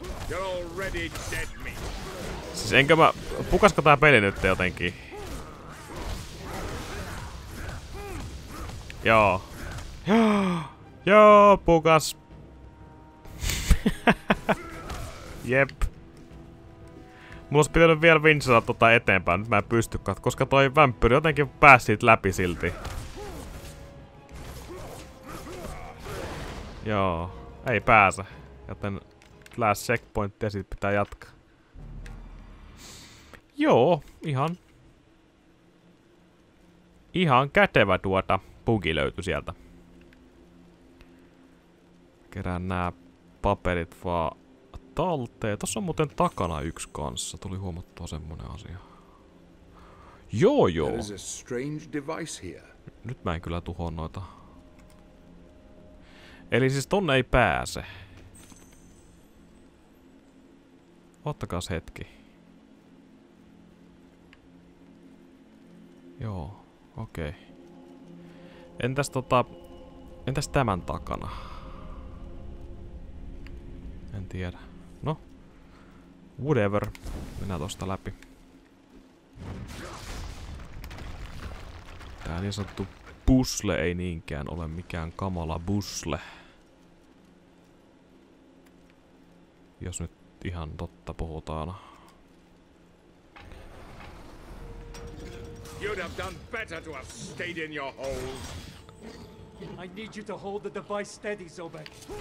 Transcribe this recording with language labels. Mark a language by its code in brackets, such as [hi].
[en] You're already dead meat. [fi] Siis enkö mä... Pukasko tää peli nyt jotenkin? Joo. Joo, pukas. Jep. Mulla olisi pitänyt vielä vinsata tota eteenpäin, nyt mä en pysty katsoa, koska toi vampyri jotenkin pääsi siitä läpi silti. Joo. Ei pääse. Joten... Last checkpointti ja sit pitää jatkaa. Joo, ihan... Ihan kätevä tuota bugi löytyi sieltä. Kerään nää paperit vaan talteen. Tossa on muuten takana yksi kanssa. Tuli huomattua semmonen asia. Joo. [en] There is a strange device here. [fi] Nyt mä en kyllä tuhoa noita. Eli siis tonne ei pääse. Ottakaas hetki. Joo, okei. Okay. Entäs tämän takana? En tiedä. No. Whatever. Mennään tosta läpi. Tää niin sanottu busle ei niinkään ole mikään kamala busle. Jos nyt ihan totta puhutaan. [en] You'd have done better to have stayed in your holes. I need you to hold the device steady, Zobek.